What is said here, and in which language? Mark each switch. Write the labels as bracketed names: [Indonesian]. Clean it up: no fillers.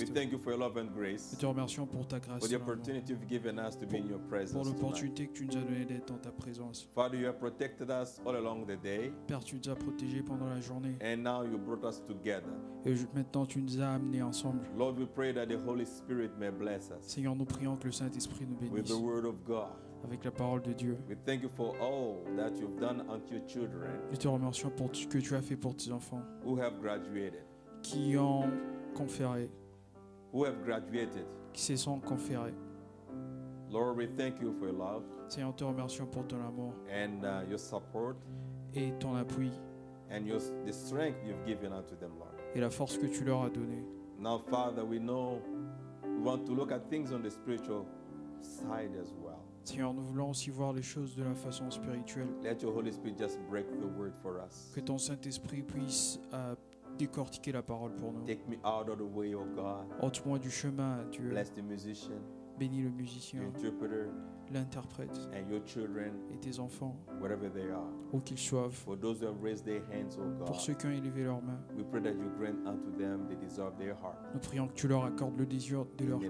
[English] We thank you for your love and grace. [French] Nous te remercions pour ta grâce. [English] For the opportunity you've given us to be in your presence. [French] Pour l'opportunité que tu nous as donné d'être dans ta présence. [English] Father, you have protected us all along the day. [French] Père, tu nous as protégés pendant la journée. [English] And now you brought us together. [French] Et maintenant, tu nous as amenés ensemble. [English] Lord, we pray that the Holy Spirit may bless us. [French] Seigneur, nous prions que le Saint-Esprit nous bénisse. [English] With the Word of God. [French] Avec la parole de Dieu. [English] We thank you for all that you've done unto your children. [French] Nous te remercions pour ce que tu as fait pour tes enfants. [English] Who have graduated. [French] Qui ont conféré. [English] Who have graduated. [French] Qui se sont conférés. [English] Lord, we thank you for your love. [French] Seigneur, te remercions pour ton amour. [English] And your support. [French] Et ton appui. [English] And the strength you've given unto them, Lord. [French] Et la force que tu leur as donnée. [English] Now, Father, we know we want to look at things on the spiritual side as well. [French] Seigneur, nous voulons aussi voir les choses de la façon spirituelle. [English] Let your Holy Spirit just break the word for us. [French] Que ton Saint-Esprit puisse décortiquer la parole pour nous. [English] Take me out of the way, oh God. [French] Ôte-moi du chemin, Dieu. [English] Bless the musician. [French] Bénis le musicien. [English] Interpreter. [French] L'interprète. [English] And your children. [French] Et tes enfants. [English] Wherever they are. [French] Où qu'ils soient. [English] For those who have raised their hands, oh God. [French] Pour ceux qui ont élevé leurs mains. [English] We pray that you grant unto them the desire of their heart. [French] Nous prions que tu leur accordes le désir de leur cœur.